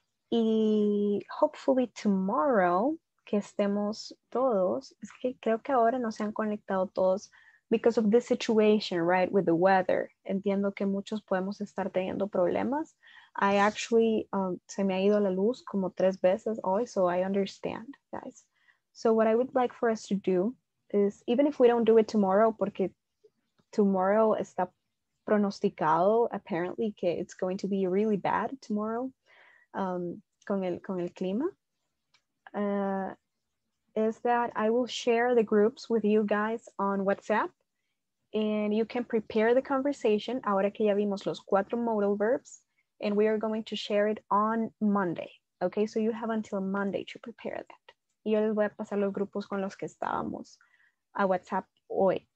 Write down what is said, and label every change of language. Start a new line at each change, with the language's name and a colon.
Spanish: Y
English: hopefully tomorrow,
Spanish: que estemos todos, es que creo que ahora no se han conectado todos
English: because of this situation, right, with the weather.
Spanish: Entiendo que muchos podemos estar teniendo problemas.
English: I actually,
Spanish: se me ha ido la luz como tres veces hoy,
English: so I understand, guys. So what I would like for us to do is, even if we don't do it tomorrow, porque tomorrow
Spanish: está pronosticado,
English: apparently, que it's going to be really bad tomorrow
Spanish: con el clima,
English: is that I will share the groups with you guys on WhatsApp, and you can prepare the conversation,
Spanish: ahora que ya vimos los cuatro
English: modal verbs, and we are going to share it on Monday, okay? So you have until Monday to prepare that.
Spanish: Yo les voy a pasar los grupos con los que estábamos a WhatsApp hoy.